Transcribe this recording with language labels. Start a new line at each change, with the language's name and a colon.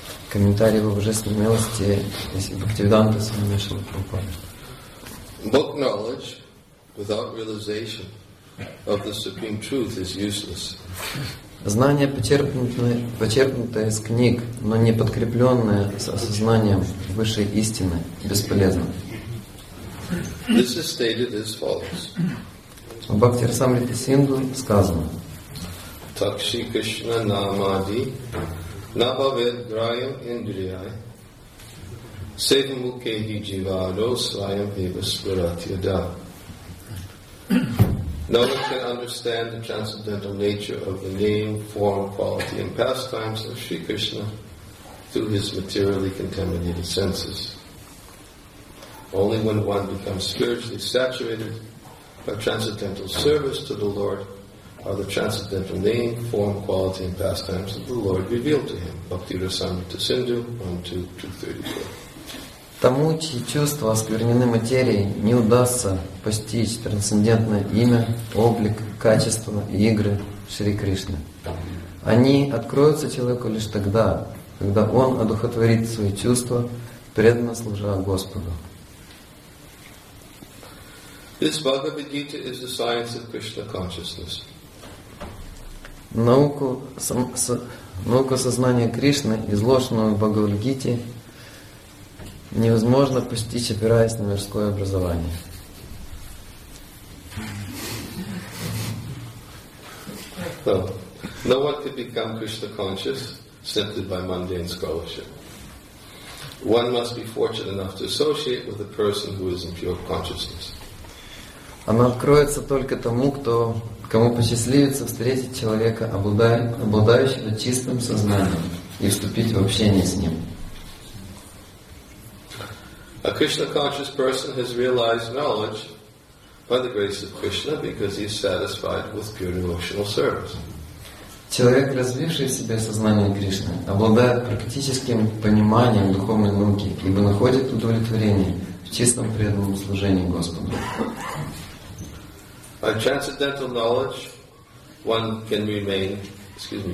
Russian: Комментарий во Божественной милости Эси Бхактивиданта Свами Шрилы Прабхупады.
English: Book knowledge without realization of the supreme truth is useless.
Russian: Знание, почерпнутое из книг, но не подкрепленное с осознанием высшей истины, бесполезно.
English: This is stated as follows.
Russian: В Бхактирасамрите Синдху сказано.
Sanskrit: Такши Кришна Намади Набаведграям Индрияй Седмукехи Дживадо Сваям Хивасвратьяда.
English: No one can understand the transcendental nature of the name, form, quality, and pastimes of Sri Krishna through his materially contaminated senses. Only when one becomes spiritually saturated by transcendental service to the Lord are the transcendental name, form, quality, and pastimes of the Lord revealed to him. Bhakti-rasamrita Sindhu 1.2.234.
Russian: Тому, чьи чувства осквернены материей, не удастся постичь трансцендентное имя, облик, качество и игры Шри Кришны. Они откроются человеку лишь тогда, когда он одухотворит свои чувства, преданно служа Господу.
English: This Bhagavad Gita is the science of Krishna consciousness.
Russian: Науку сознания Кришны, изложенную в Бхагавад Гите, невозможно постичь, опираясь на мирское образование.
English: No one could become Krishna conscious simply by mundane scholarship. One must be fortunate enough to associate with a person who is in pure consciousness.
Russian: Она откроется только тому, кто, кому посчастливится встретить человека, обладающего чистым сознанием, и вступить в общение с ним.
English: A Krishna-conscious person has realized knowledge by the grace of Krishna because he is satisfied with pure devotional service.
Russian: Человек, развивший в себе сознание Кришны, обладает практическим пониманием духовной науки, ибо находит удовлетворение в чистом преданном служении Господу.
English: By transcendental knowledge, one can remain. Excuse me.